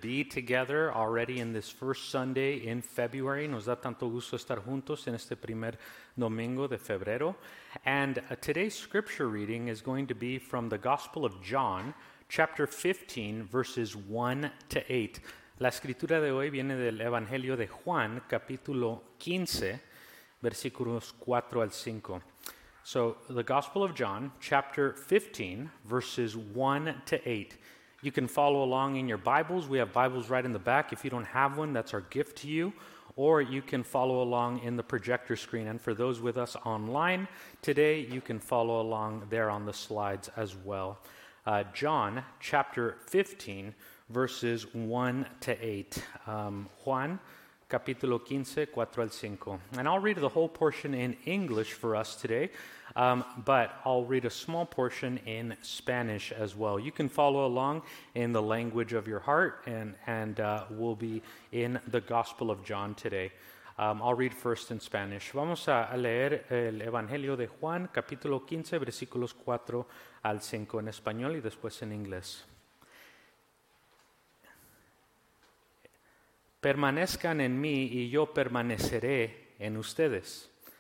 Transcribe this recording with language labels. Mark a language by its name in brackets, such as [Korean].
[English] Be together already in this first Sunday in February. [Spanish] Nos da tanto gusto estar juntos en este primer domingo de febrero. [English] And today's scripture reading is going to be from the Gospel of John, chapter 15, verses 1 to 8. [Spanish] La escritura de hoy viene del Evangelio de Juan, capítulo 15, versículos 4 al 5. [English] So, the Gospel of John, chapter 15, verses 1 to 8. You can follow along in your Bibles. We have Bibles right in the back. If you don't have one, that's our gift to you. Or you can follow along in the projector screen. And for those with us online today, you can follow along there on the slides as well. John chapter 15, verses 1 to 8. [Spanish] Juan, capítulo 15, 4 al 5. [English] And I'll read the whole portion in English for us today. But I'll read a small portion in Spanish as well. You can follow along in the language of your heart, and we'll be in the Gospel of John today. I'll read first in Spanish. [Spanish] Vamos a leer el Evangelio de Juan, capítulo 15, versículos 4 al 5 en español y después en inglés. Permanezcan en mí y yo permaneceré en ustedes.